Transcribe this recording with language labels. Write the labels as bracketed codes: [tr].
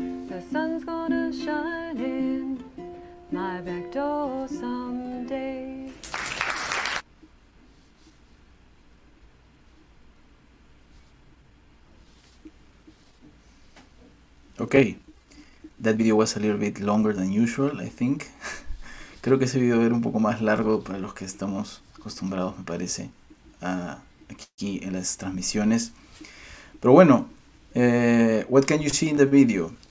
[en] The sun's gonna shine in my back door someday. Okay. That video was a little bit longer than usual, I think. [es] Creo que ese video era un poco más largo para los que estamos acostumbrados, me parece, aquí en las transmisiones. Pero bueno, [en] what can you see in the video?